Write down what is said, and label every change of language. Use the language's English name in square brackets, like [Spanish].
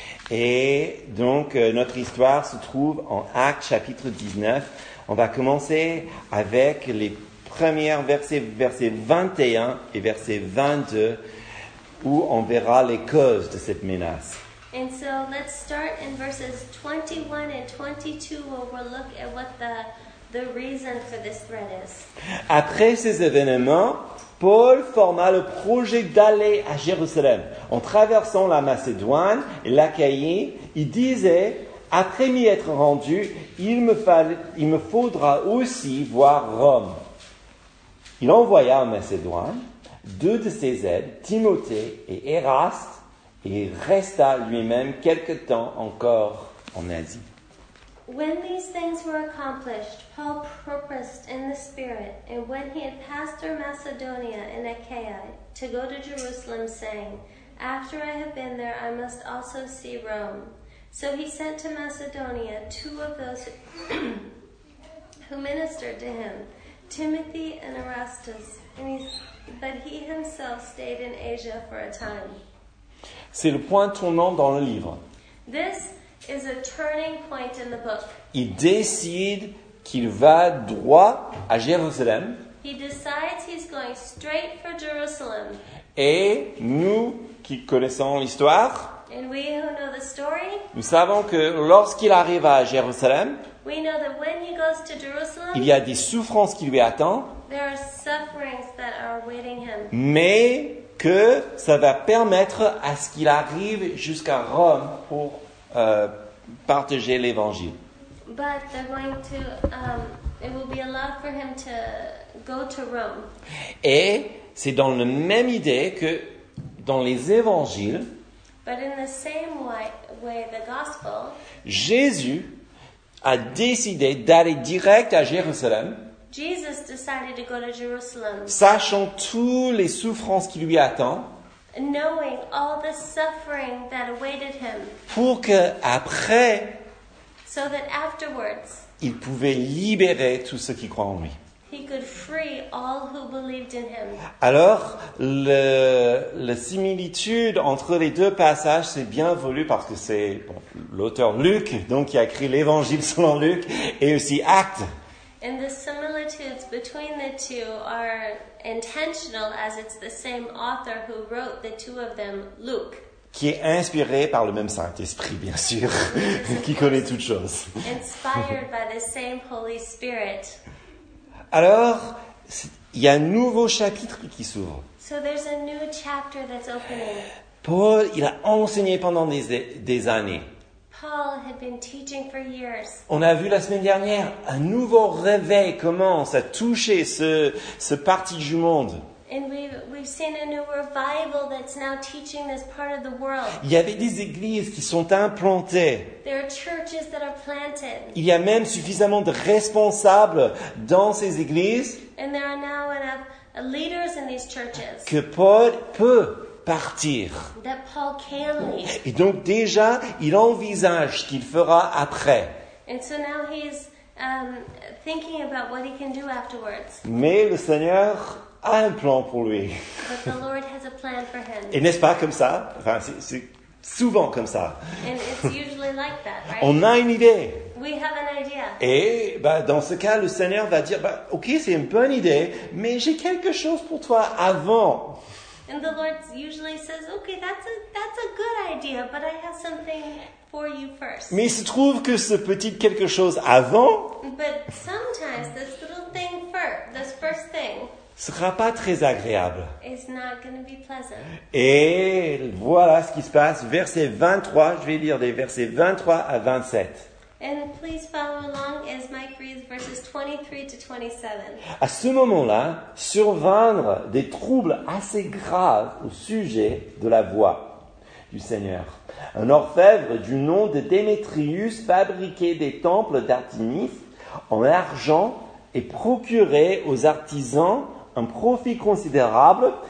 [French] Et donc, notre histoire se trouve en Actes chapitre 19. On va commencer avec les premiers versets, versets 21 et verset 22, où on verra les causes de cette menace. [English] And so let's start in verses 21 and 22, where we'll look at what the the reason for this threat is. [French] Après ces événements, Paul forma le projet d'aller à Jérusalem. En traversant la Macédoine et l'Achaïe, il disait, après m'y être rendu, il me faudra aussi voir Rome. Il envoya en Macédoine deux de ses aides, Timothée et Eraste, et resta lui-même quelque temps encore en Asie. [English] When these things were accomplished, Paul purposed in the Spirit, and when he had passed through Macedonia and Achaia, to go to Jerusalem, saying, after I have been there, I must also see Rome. So he sent to Macedonia two of those who ministered to him, Timothy and Erastus, but he himself stayed in Asia for a time. [French] C'est le point tournant dans le livre. [English] This is a turning point in the book. [French] Il décide qu'il va droit à Jérusalem. [English] He decides he's going straight for Jerusalem. [French] Et nous qui connaissons l'histoire, [English] and we who know the story, [French] nous savons que lorsqu'il arrive à Jérusalem, [English] we know that when he goes to Jerusalem, [French] il y a des souffrances qui lui attendent. [English] There are sufferings that are awaiting him. [French] Mais que ça va permettre à ce qu'il arrive jusqu'à Rome pour partager l'évangile. [English] But they're going to, it will be allowed for him to go to Rome. [French] Et c'est dans la même idée que dans les évangiles, [English] but in the same way the gospel, [French] Jésus a décidé d'aller direct à Jérusalem, [English] Jesus decided to go to Jerusalem, [French] sachant toutes les souffrances qui lui attendent, [English] knowing all the suffering that awaited him, [French] pour que après, [English] so that afterwards, [French] il pouvait libérer tous ceux qui croient en lui. [English] He could free all who believed in him. [French] Alors, la similitude entre les deux passages, c'est bien voulu parce que c'est l'auteur Luc, donc qui a écrit l'évangile selon Luc, et aussi Actes. [English] And the similitudes between the two are intentional, as it's the same author who wrote the two of them, Luke. [French] Qui est inspiré par le même Saint-Esprit, bien sûr, qui connaît toutes choses. [English] Inspired by the same Holy Spirit. [French] Alors, il y a un nouveau chapitre qui s'ouvre. [English] So there's a new chapter that's opening. [French] Paul, il a enseigné pendant des années. [English] Paul had been teaching for years. [French] On a vu la semaine dernière, un nouveau réveil commence à toucher ce parti du monde. [English] And we've seen a new revival that's now teaching this part of the world. [French] Il y avait des églises qui sont implantées. [English] There are churches that are planted. [French] Il y a même suffisamment de responsables dans ces églises. [English] And there are now enough leaders in these churches. [French] Que Paul peut partir. [English] That Paul can leave. [French] Et donc déjà, il envisage ce qu'il fera après. [English] And so now he's thinking about what he can do afterwards. [French] Mais le Seigneur a un plan pour lui. [English] But the Lord has a plan for him. [French] Et n'est-ce pas comme ça? Enfin, c'est souvent comme ça. [English] And it's usually like that, right? [French] On a une idée. [English] We have an idea. [French] Et bah, dans ce cas, le Seigneur va dire, bah, ok, c'est une bonne idée, mais j'ai quelque chose pour toi avant. [English] And the Lord usually says, okay, that's a good idea, but I have something for you first. [French] Mais il se trouve que ce petit quelque chose avant, [English] but sometimes this little thing this first thing, [French] sera pas très agréable. [English] It's not going to be pleasant. [French] Et voilà ce qui se passe, verset 23, je vais lire des versets 23 à 27. [English] And please follow along as Mike reads verses 23 to 27. [French] À ce moment-là, survinrent des troubles assez graves au sujet de la voix du Seigneur. Un orfèvre du nom de Démétrius fabriquait des temples d'Artémis en argent et procurait aux artisans un profit considérable.